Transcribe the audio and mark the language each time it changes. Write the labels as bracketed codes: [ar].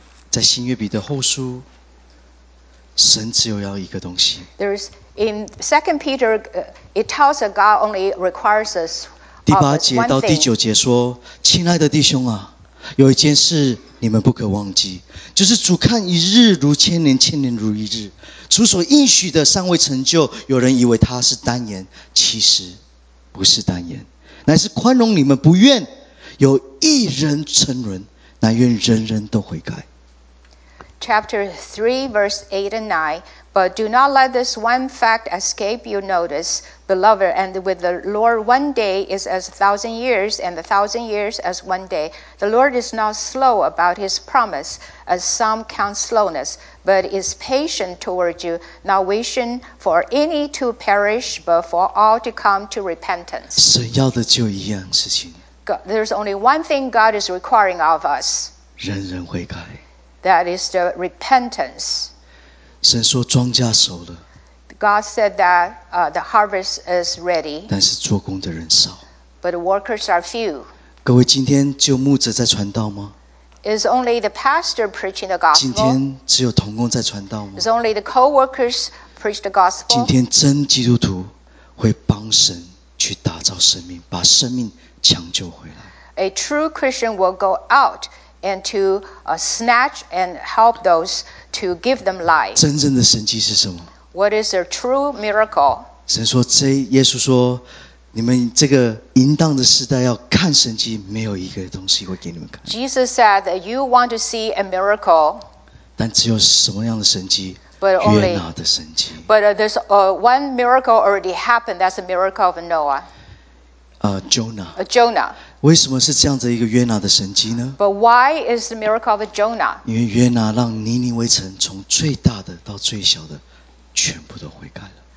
[zh] 在新约彼得后书，神只有要一个东西。 [en] There's in Second Peter, it tells a God only requires us. [zh] 第八节到第九节说：“亲爱的弟兄啊。” 有一件事你们不可忘记，就是主看一日如千年，千年如一日，主所应许的尚未成就，有人以为他是单言，其实不是单言，乃是宽容你们，不愿有一人沉沦，乃愿人人都悔改。 [en] Chapter 3 verse 8 and 9 But do not let this one fact escape you notice, beloved, and with the Lord one day is as 1,000 years, and 1,000 years as one day. The Lord is not slow about his promise, as some count slowness, but is patient toward you, not wishing for any to perish, but for all to come to repentance. [zh] 神要的就一样事情。 [en] There's only one thing God is requiring of us. [zh] 人人悔改。 [en] That is the repentance. [zh] 神说庄稼熟了。 [en] God said that the harvest is ready. [zh] 但是做工的人少。 [en] But the workers are few. [zh] 各位，今天只有牧者在传道吗？ [en] Is only the pastor preaching the gospel? [zh] 今天只有同工在传道吗？ [en] Is only the co-workers preach the gospel? [zh] 今天真基督徒会帮神去打造生命，把生命抢救回来。 [en] A true Christian will go out and to snatch and help those. To give them life. [zh] 真正的神迹是什么？ [en] What is their true miracle? [zh] 神说，这耶稣说，你们这个淫荡的时代要看神迹，没有一个东西会给你们看。 [en] Jesus said that you want to see a miracle. [zh] 但只有什么样的神迹？ [en] But only, [zh] 约拿的神迹。 [en] But there's one miracle already happened. That's the miracle of Noah. Jonah. [zh] 为什么是这样的一个约拿的神迹呢？ [en] But why is the miracle of Jonah? [zh] 因为约拿让尼尼微城从最大的到最小的全部都悔改了。